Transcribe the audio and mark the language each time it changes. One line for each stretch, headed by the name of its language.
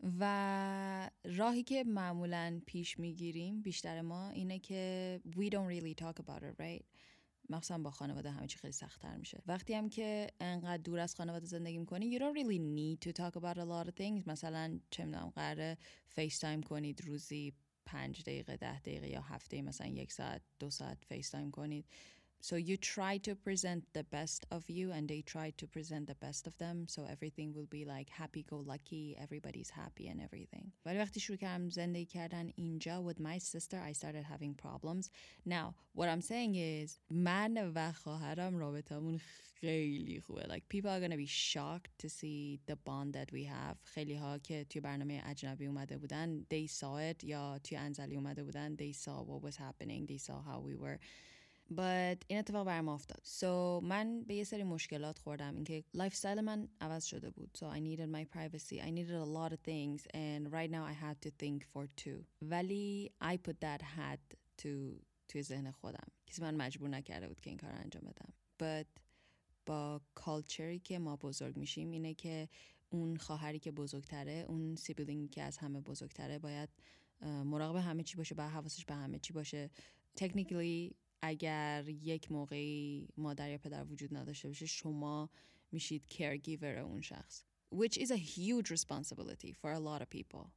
Persian: و راهی که معمولا پیش میگیریم بیشتر ما اینه که
English: we don't really talk about it right.
Persian: مخصوصا با خانواده همه چی خیلی سخت‌تر میشه. وقتی هم که انقدر دور از خانواده زندگی می‌کنی،
English: you don't really need to talk about a lot of things.
Persian: مثلا چه می‌دونم قراره فیس تایم کنید روزی 5 دقیقه، 10 دقیقه یا هفته مثلا 1 ساعت، 2 ساعت فیس تایم کنید.
English: So you try to present the best of you and they try to present the best of them so everything will be like happy go lucky, everybody's happy and everything.
Persian: ولی وقتی شروع کردم زندگی کردن اینجا
English: with my sister I started having problems. Now what I'm saying is
Persian: من و خواهرم رابطمون خیلی خوبه.
English: Like people are going to be shocked to see the bond that we have.
Persian: خیلی ها که توی برنامه اجنبی اومده بودن
English: they saw it،
Persian: یا توی انزلی اومده بودن
English: they saw what was happening, they saw how we were.
Persian: But این اتفاق برام افتاد. So من به یه سری مشکلات خوردم، اینکه لایف استایل من عوض شده بود.
English: So I needed my privacy. I needed a lot of things and right now I had to think for two. ولی I put that hat to
Persian: توی ذهن خودم. کسی من مجبور نکرده بود که این کار رو انجام بدم. But با کالچری که ما بزرگ میشیم اینه که اون خواهری که بزرگتره، اون سیبلینگی که از همه بزرگتره، باید مراقب همه چی باشه، باید حواسش به همه چی باشه. Technically اگر یک موقعی مادر یا پدر وجود نداشته باشه، شما میشید caregiver اون شخص.
English: Which is a huge responsibility for a lot of people.